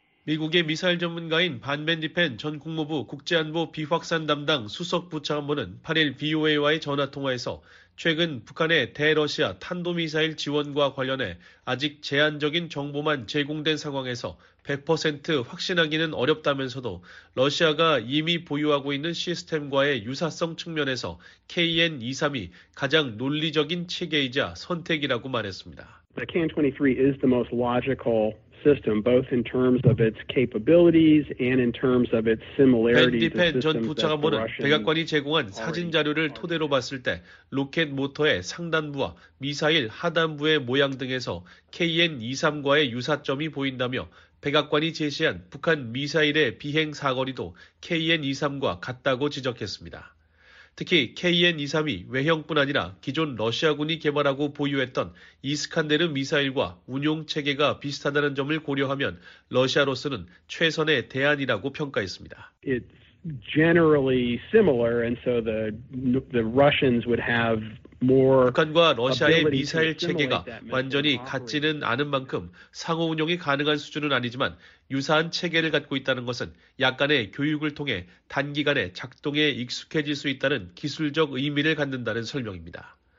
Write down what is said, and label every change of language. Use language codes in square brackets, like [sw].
[ko] 미국의 미사일 전문가인 반 맨디펜 전 국무부 국제안보 비확산 담당 수석부차관보는 8일 VOA와의 전화통화에서 최근 북한의 대러시아 탄도미사일 지원과 관련해 아직 제한적인 정보만 제공된 상황에서 100% 확신하기는 어렵다면서도 러시아가 이미 보유하고 있는 시스템과의 유사성 측면에서 KN-23이 가장 논리적인 체계이자 선택이라고 말했습니다. [en] The KN-23 is the most logical system, both in terms of its capabilities and in terms of its similarities. [ko] 벤디펜 전 부차관보는 백악관이 제공한 사진 자료를 토대로 봤을 때 로켓 모터의 상단부와 미사일 하단부의 모양 등에서 KN-23과의 유사점이 보인다며 백악관이 제시한 북한 미사일의 비행 사거리도 KN-23과 같다고 지적했습니다. 특히 KN-23이 외형뿐 아니라 기존 러시아군이 개발하고 보유했던 이스칸데르 미사일과 운용체계가 비슷하다는 점을 고려하면 러시아로서는 최선의 대안이라고 평가했습니다. [en] It's generally similar, and so the Russians would have [ko] 북한과 러시아의 미사일 체계가 완전히 같지는 않은 만큼 상호 운용이 가능한 수준은 아니지만 유사한 체계를 갖고 있다는 것은 약간의 교육을 통해 단기간에 작동에 익숙해질 수 있다는 기술적 의미를 갖는다는 설명입니다.